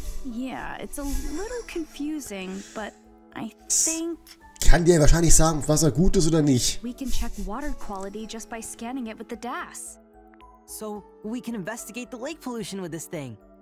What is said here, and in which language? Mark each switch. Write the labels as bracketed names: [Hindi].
[English] Yeah, it's a little confusing, but I think... [German] Kann dir wahrscheinlich sagen, was gut ist oder nicht. [English] We can check water quality just by scanning it with the D.A.S. So, we can investigate the lake pollution with this thing.